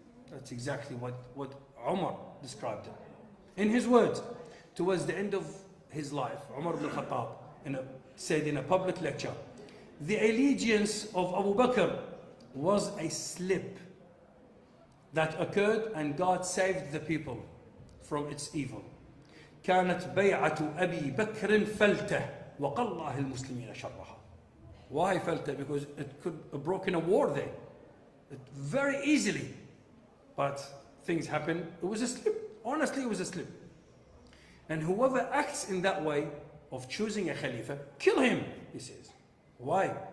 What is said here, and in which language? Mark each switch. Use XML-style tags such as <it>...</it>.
<en>That's exactly what Umar described in his words. Towards the end of his life, Umar ibn Khattab said in a public lecture, the allegiance of Abu Bakr was a slip that occurred, and God saved the people from its evil.</en> <ar>كانت بيعة أبي بكر فلتة وقال الله المسلمين شرها.</ar> <en>Why فلتة? Because it could have broken a war there. It very easily. But things happened. It was a slip. Honestly, it was a slip. And whoever acts in that way of choosing a Khalifa, kill him, he says. Why?</en>